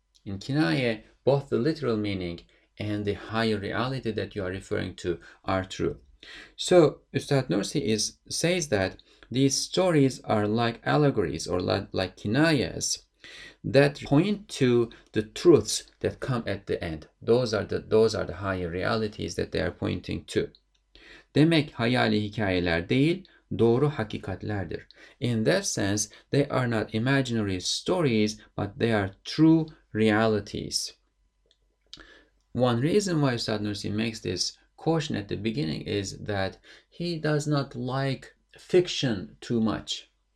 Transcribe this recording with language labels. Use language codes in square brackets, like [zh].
[en] In kinaya, both the literal meaning and the higher reality that you are referring to are true. So Ustad Nursi says that these stories are like allegories or like kinayas that point to the truths that come at the end. Those are the higher realities that they are pointing to. [tr] Demek hayali hikayeler değil, doğru hakikatlerdir. [en] In that sense, they are not imaginary stories, but they are true realities. One reason why Ustad Nursi makes this caution at the beginning is that he does not like fiction too much.